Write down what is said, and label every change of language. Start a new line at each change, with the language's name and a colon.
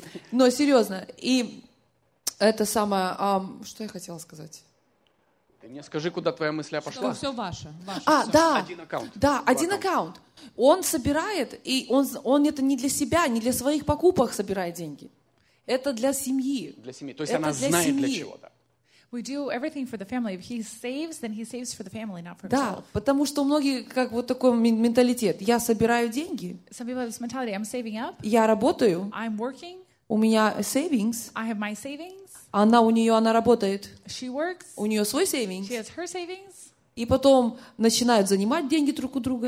Russian: Но серьезно, и это самое, что я хотела сказать? Ты мне скажи, куда твоя мысль пошла. Что все ваше. А, все. Да. Один аккаунт. Да, один аккаунт. Он собирает, и он это не для себя, не для своих покупок собирает деньги. Это для семьи. Для семьи. То есть это она для знает семьи. Для чего-то.
English: We do everything for the family. If he saves, then he saves for the family, not for
Russian: да,
English: himself.
Russian: Да, потому что у многих как вот такой менталитет. Я собираю деньги.
English: Some people have this mentality. I'm saving up.
Russian: Я работаю.
English: I'm working.
Russian: У меня savings.
English: I have my savings.
Russian: Она у нее, она работает.
English: She works.
Russian: У нее свой savings.
English: She has her savings.
Russian: И потом начинают занимать деньги друг у друга.